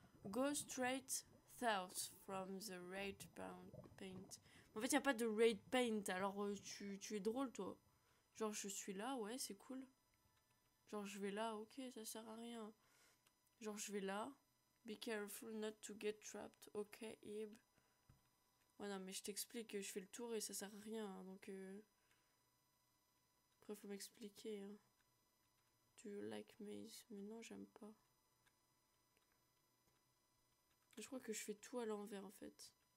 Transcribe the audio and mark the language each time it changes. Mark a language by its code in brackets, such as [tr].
[en] Go straight south from the red paint. [fr] En fait, y a pas de [en] red paint, [fr] alors tu es drôle, toi. Genre, je suis là, ouais, c'est cool. Genre, je vais là, ok, ça sert à rien. Genre, je vais là. [en] Be careful not to get trapped, ok, Ib. [fr] Ouais, non, mais je t'explique, je fais le tour et ça sert à rien, donc. Après, faut m'expliquer, hein. [en] Do you like maze? [fr] Mais non, j'aime pas. Je crois que je fais tout à l'envers en fait.